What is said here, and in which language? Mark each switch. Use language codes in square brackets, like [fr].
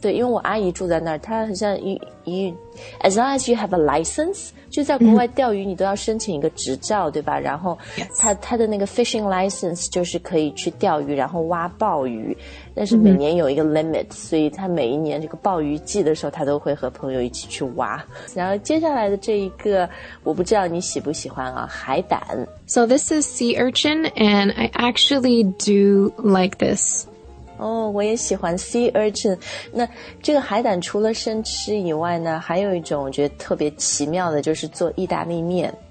[zh] 对因为我阿姨住在那儿她很像 as long as you have a license 就在国外钓鱼、mm-hmm. 你都要申请一个执照对吧然后她的那个 fishing license 就是可以去钓鱼然后挖鲍鱼但是每年有一个 limit、mm-hmm. 所以她每一年这个鲍鱼季的时候她都会和朋友一起去挖然后接下来的这一个我不知道你喜不喜欢啊海胆 [en] So this is sea urchin and I actually do like this [zh] Oh, 我也喜欢 sea urchin. 那这个海胆除了生吃以外呢还有一种我觉得特别奇妙的就是做意大利面。